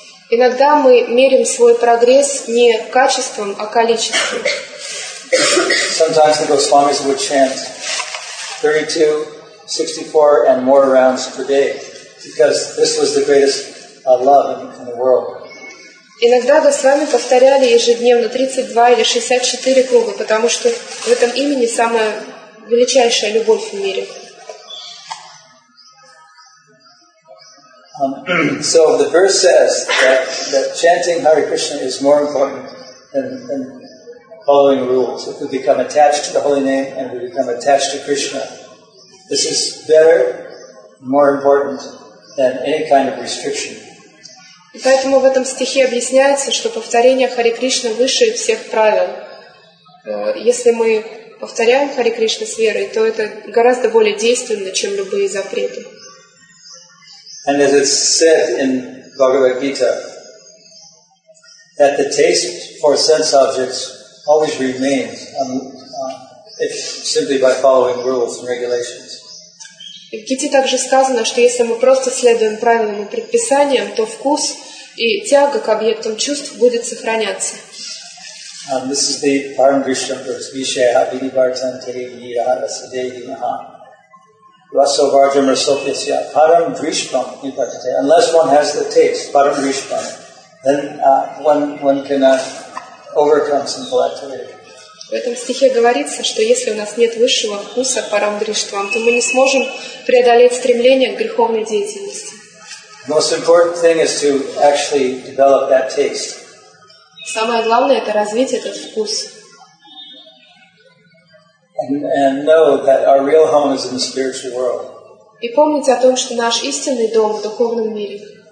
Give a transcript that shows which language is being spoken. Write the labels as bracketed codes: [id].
[ru] Иногда мы мерим свой прогресс не качеством, а количеством. [en] Sometimes the Goswamis would chant 32, 64 and more rounds per day because this was the greatest love in the world. [ru] Иногда Госвами повторяли ежедневно 32 или 64 круга, потому что в этом имени самая величайшая любовь в мире. [en] So the verse says that chanting Hare Krishna is more important than following rules. If we become attached to the holy name and we become attached to Krishna, this is better, more important than any kind of restriction. [ru] И поэтому в этом стихе объясняется, что повторение Харе Кришны выше всех правил. Если мы повторяем Харе Кришну с верой, то это гораздо более действенно, чем любые запреты. [en] And as it's said in Bhagavad Gita, that the taste for sense objects always remains if simply by following rules and regulations. [ru] В Гите также сказано, что если мы просто следуем правилам и предписаниям, то вкус и тяга к объектам чувств будет сохраняться. [en] This is the Param Krishna verse, [sa] Vishaya Vidhi Bhartan Tere Nidhara Sadehi Maha. [en] Unless one has the taste, Param Grishpam, then one cannot overcome sinful activity. [ru] В этом стихе говорится, что если у нас нет высшего вкуса парамдриштвам, то мы не сможем преодолеть стремление к греховной деятельности. [en] Most important thing is to actually develop that taste. [ru] Самое главное — это развить этот вкус. [en] And know that our real home is in the spiritual world. [ru] И помните о том, что наш истинный дом в духовном мире.